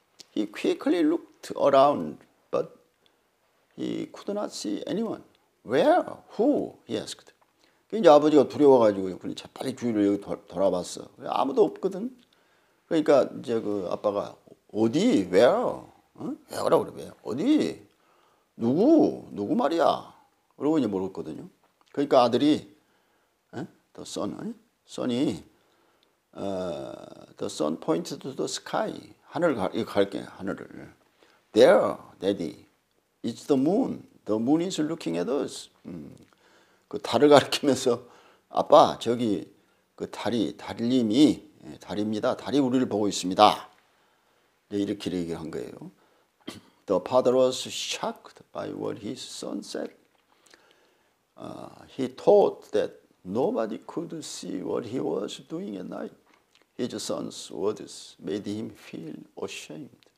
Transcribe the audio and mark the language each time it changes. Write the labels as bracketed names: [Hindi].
[English] He quickly looked around, but he could not see anyone. "Where? Who?" he asked. [Korean] 이제 아버지가 두려워가지고 빨리 주위를 여기 돌아봤어. 아무도 없거든. 그러니까 이제 그 아빠가 "어디? [English] Where?" [Korean] 왜라고 그래? 어디? 누구? 누구 말이야? 그러고 이제 물었거든요. 그러니까 아들이, [English] 더 선이 pointed to the sky. [Korean] 하늘을 갈게, 하늘을. [English] "There, daddy. It's the moon. The moon is looking at us." [Korean] 그 달을 가리키면서, "아빠, 저기 그 달이, 달님이, 달입니다. 달이 우리를 보고 있습니다." 이렇게 얘기한 거예요. [English] The father was shocked by what his son said. He thought that nobody could see what he was doing at night. His son's words made him feel ashamed.